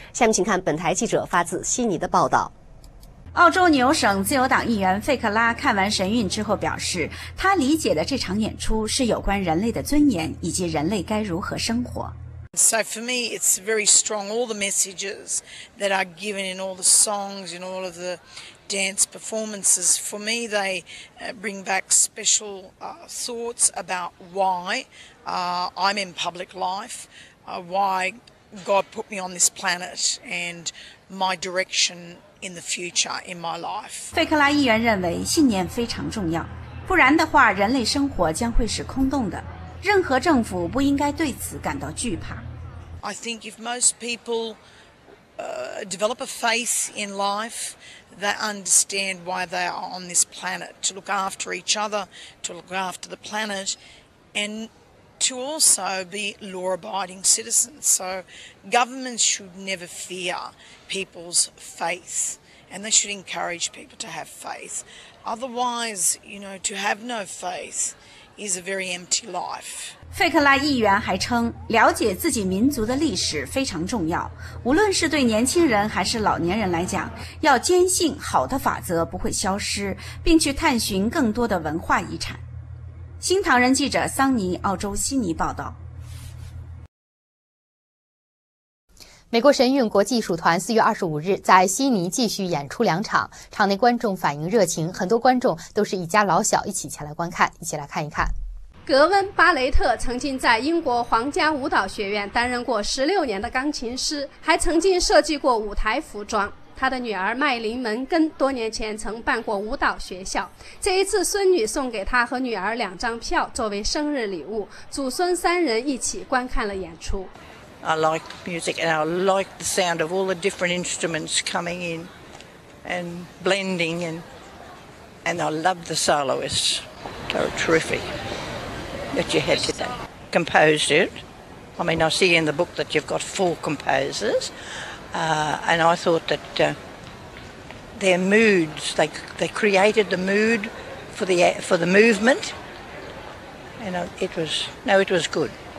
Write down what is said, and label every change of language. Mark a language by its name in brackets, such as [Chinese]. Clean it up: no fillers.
[Chinese] 下面请看本台记者发自悉尼的报道。澳洲牛省自由党议员费克拉看完神韵之后表示，他理解的这场演出是有关人类的尊严以及人类该如何生活。 [English] So for me, it's very strong. All the messages that are given in all the songs, in all of the dance performances, for me, they bring back special thoughts about why I'm in public life, why God put me on this planet, and my direction in the future in my life. [Chinese] 费克拉议员认为信念非常重要，不然的话，人类生活将会是空洞的。任何政府不应该对此感到惧怕。 [English] I think if most people develop a faith in life, they understand why they are on this planet, to look after each other, to look after the planet, and to also be law-abiding citizens. So governments should never fear people's faith, and they should encourage people to have faith. Otherwise, you know, to have no faith,is a very empty life. [Chinese] 费克拉议员还称，了解自己民族的历史非常重要，无论是对年轻人还是老年人来讲，要坚信好的法则不会消失，并去探寻更多的文化遗产。新唐人记者桑尼，澳洲悉尼报道。美国神韵国际艺术团4月25日在悉尼继续演出两场，场内观众反应热情，很多观众都是一家老小一起前来观看，一起来看一看。格温·巴雷特曾经在英国皇家舞蹈学院担任过16年的钢琴师，还曾经设计过舞台服装。他的女儿麦琳·门根多年前曾办过舞蹈学校，这一次孙女送给他和女儿两张票作为生日礼物，祖孙三人一起观看了演出。 [English] I like music and I like the sound of all the different instruments coming in and blending and I love the soloists. They were terrific that you had today. Composed it. I mean, I see in the book that you've got 4 composers and I thought that their moods, they created the mood for the movement and it was good.